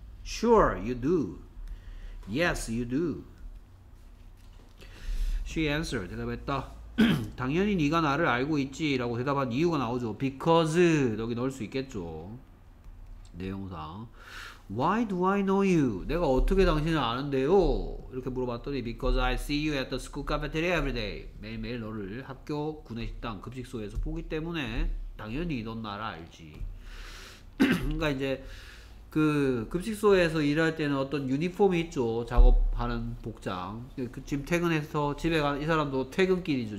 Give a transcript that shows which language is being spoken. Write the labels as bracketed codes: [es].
[en] Sure, you do. Yes, you do. She answered. [ko] 대답했다. 당연히 네가 나를 알고 있지 라고 대답한 이유가 나오죠. [en] Because [ko] 여기 넣을 수 있겠죠. 내용상 [en] Why do I know you? [ko] 내가 어떻게 당신을 아는데요? 이렇게 물어봤더니 [en] Because I see you at the school cafeteria every day. [ko] 매일매일 너를 학교 구내식당 급식소에서 보기 때문에 당연히 넌 나를 알지. 그러니까 이제 그 급식소에서 일할 때는 어떤 유니폼이 있죠. 작업하는 복장. 지금 퇴근해서 집에 간 이 사람도 퇴근길이죠.